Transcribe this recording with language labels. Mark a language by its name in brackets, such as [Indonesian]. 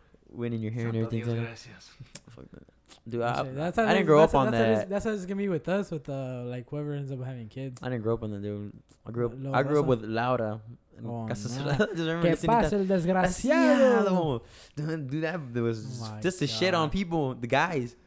[English] Win in your hair and everything. Fuck that. Dude, I didn't grow up on that. That's how it's gonna be with us, with like whoever ends up having kids. I didn't grow up on that, dude. I grew up with Laura. [Spanish] Que pase el desgraciado. [English] Dude, that was just the shit on people, the guys.